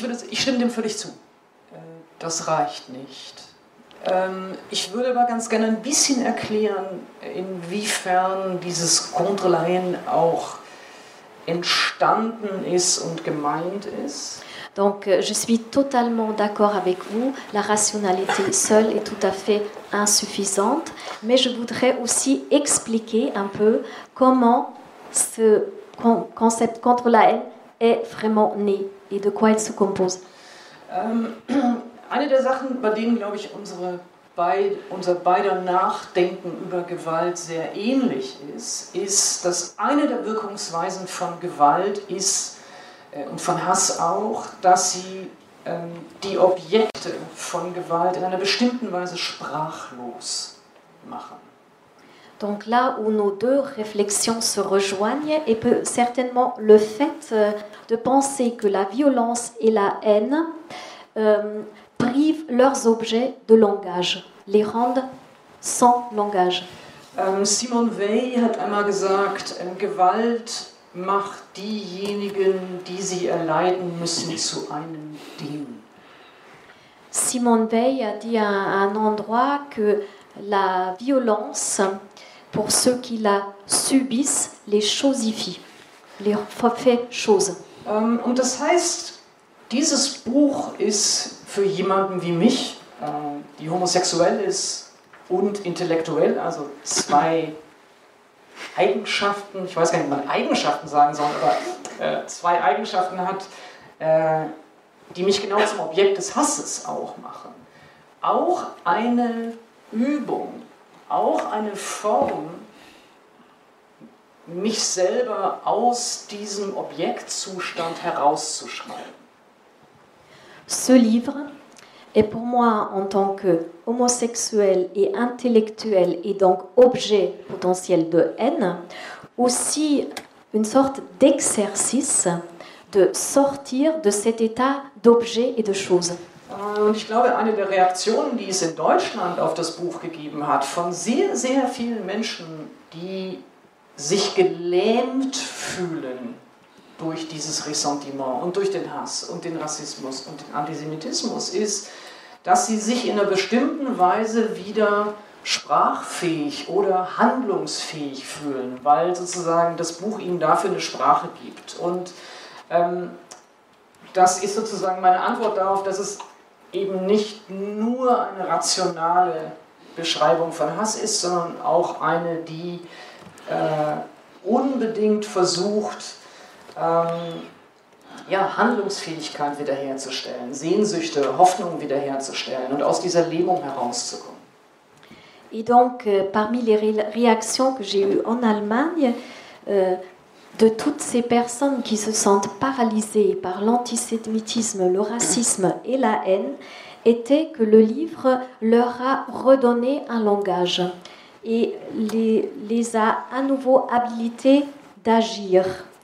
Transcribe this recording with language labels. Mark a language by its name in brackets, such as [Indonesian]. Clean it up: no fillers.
[German] Ich stimme dem völlig zu. Das reicht nicht. Ich würde aber ganz gerne ein bisschen erklären, inwiefern dieses contre la haine auch entstanden ist und gemeint ist. [French] Donc, je suis totalement d'accord avec vous. La rationalité seule est tout à fait insuffisante. Mais je voudrais aussi expliquer un peu comment ce concept contre la haine est vraiment né et de quoi il se compose. [German] Eine der Sachen, bei denen, glaube ich, unser beider Nachdenken über Gewalt sehr ähnlich ist, ist, dass eine der Wirkungsweisen von Gewalt ist, und von Hass auch, dass sie die Objekte von Gewalt in einer bestimmten Weise sprachlos machen. [French] Donc là où nos deux réflexions se rejoignent est peut certainement le fait de penser que la violence et la haine privent leurs objets de langage, les rendent sans langage. [German] Simone Weil hat einmal gesagt, Gewalt macht diejenigen, die sie erleiden müssen, zu einem Ding. [French] Simone Weil a dit à un endroit que la violence, pour ceux qui la subissent, les chosifie, les fait chose. [German] Und das heißt, dieses Buch ist für jemanden wie mich, die homosexuell ist und intellektuell, also zwei Eigenschaften, ich weiß gar nicht, ob man Eigenschaften sagen soll, aber zwei Eigenschaften hat, die mich genau zum Objekt des Hasses auch machen. Auch eine Übung, auch eine Form, mich selber aus diesem Objektzustand herauszuschreiben. [French] Ce livre est pour moi, en tant que homosexuel et intellectuel et donc objet potentiel de haine, aussi une sorte d'exercice de sortir de cet état d'objet et de choses. [German] Und ich glaube, eine der Reaktionen, die es in Deutschland auf das Buch gegeben hat, von sehr, sehr vielen Menschen, die sich gelähmt fühlen durch dieses Ressentiment und durch den Hass und den Rassismus und den Antisemitismus, ist, dass sie sich in einer bestimmten Weise wieder sprachfähig oder handlungsfähig fühlen, weil sozusagen das Buch ihnen dafür eine Sprache gibt. Und das ist sozusagen meine Antwort darauf, dass es eben nicht nur eine rationale Beschreibung von Hass ist, sondern auch eine, die unbedingt versucht, Handlungsfähigkeit wiederherzustellen, Sehnsüchte, Hoffnung wiederherzustellen und aus dieser Lähmung herauszukommen. [French] Et donc, parmi les réactions que j'ai eues en Allemagne, de toutes ces personnes qui se sentent paralysées par l'antisémitisme, le racisme et la haine, était que le livre leur a redonné un langage et les a à nouveau habilités d'agir.